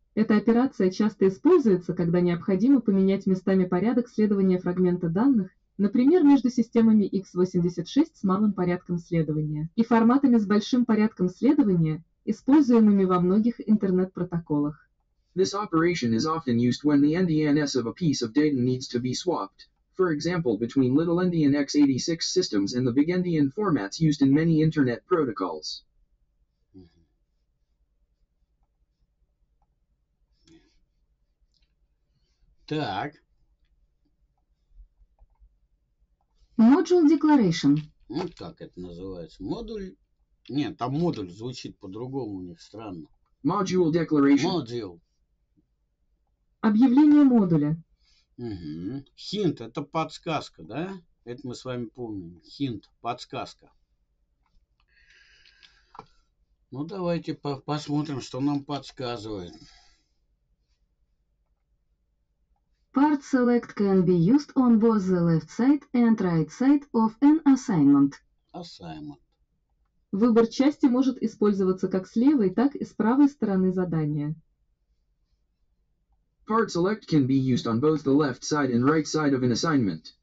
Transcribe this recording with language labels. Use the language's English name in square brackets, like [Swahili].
[Russian] Эта операция часто используется, когда необходимо поменять местами порядок следования фрагмента данных, например, между системами x86 с малым порядком следования и форматами с большим порядком следования, используемыми во многих интернет-протоколах. [English] This operation is often used when the NDNS of a piece of data needs to be swapped, for example, between Little Endian x86 systems and the Big Endian formats used in many internet protocols. [Russian] Так. [English] Module declaration. [Russian] Вот как это называется? Модуль. Нет, там модуль звучит по-другому, у них странно. [English] Module declaration. Module. [Russian] Объявление модуля. Угу. Hint – это подсказка, да? Это мы с вами помним. Hint – подсказка. Ну, давайте посмотрим, что нам подсказывает. [English] Part select can be used on both the left side and right side of an assignment. Assignment. [Russian] Выбор части может использоваться как с левой, так и с правой стороны задания. [English] Part select can be used on both the left side and right side of an assignment.